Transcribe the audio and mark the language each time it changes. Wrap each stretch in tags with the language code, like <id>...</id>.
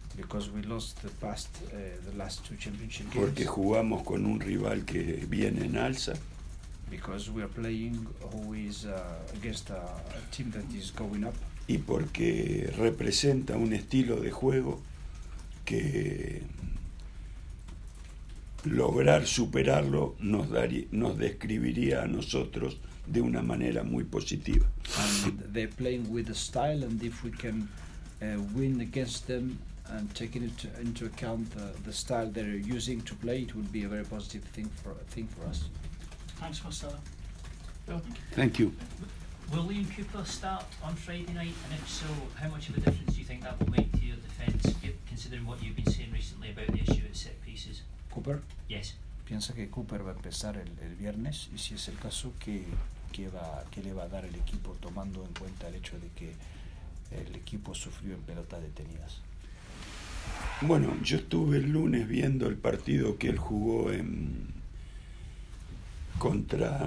<en>Because we lost the last two championship games.</en> <es>Porque jugamos con un rival que viene en alza.</es> <en>Because we are playing who is against a team that is going up.</en> <es>Y porque representa un estilo de juego que lograr superarlo nos describiría a nosotros de una manera muy positiva.</es> <en>And they're playing with a style, and if we can win against them and taking it into account the style they're using to play, it would be a very positive thing for us. Thanks, Marcelo. Thank you. Will Liam Cooper start on Friday night? And if so, how much of a difference do you think that will make to your defence, considering what you've been saying recently about the issue at set pieces? Cooper? Yes.</en> <es>¿Piensa que Cooper va a empezar el viernes? Y si es el caso, ¿qué le va a dar el equipo, tomando en cuenta el hecho de que el equipo sufrió en pelotas detenidas. Bueno, yo estuve el lunes viendo el partido que él jugó en contra</es>